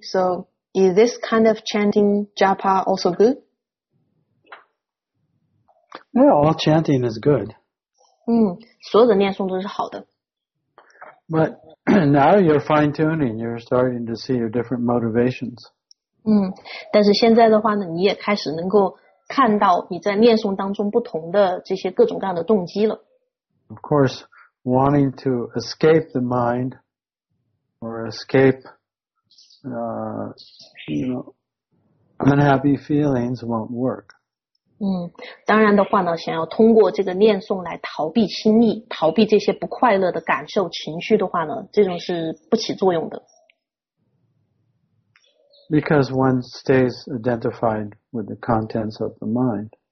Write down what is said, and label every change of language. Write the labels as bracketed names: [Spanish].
[English] So is this kind of chanting japa also good? Yeah, all chanting is good. [Chinese] 所有的念诵都是好的。 [English] But now you're fine-tuning, you're starting to see your different motivations. [Chinese] 但是现在的话呢，你也开始能够看到你在念诵当中不同的这些各种各样的动机了。 [English] Of course, wanting to escape the mind or escape, unhappy feelings won't work. [Chinese] 当然的话呢，想要通过这个念诵来逃避心意，逃避这些不快乐的感受情绪的话呢，这种是不起作用的。 [English] Because one stays identified with the contents of the mind.